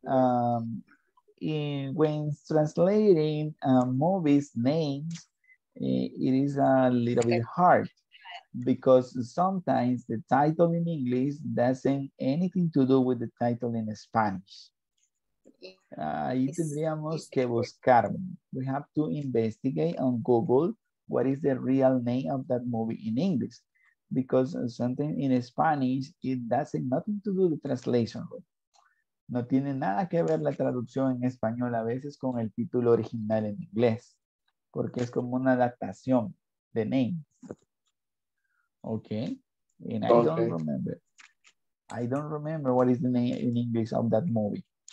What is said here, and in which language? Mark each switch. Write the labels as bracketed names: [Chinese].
[English] When translating movies names, it is a little bit hard because sometimes the title in English doesn't anything to do with the title in Spanish. [Spanish] Ahí tendríamos que buscar. [English] We have to investigate on Google what is the real name of that movie in English. Because something in Spanish, it doesn't nothing to do with the translation. [Spanish] No tiene nada que ver la traducción en español a veces con el título original en inglés. Porque es como una adaptación de name. [English] Okay. And I don't remember. I don't remember what is the name in English of that movie.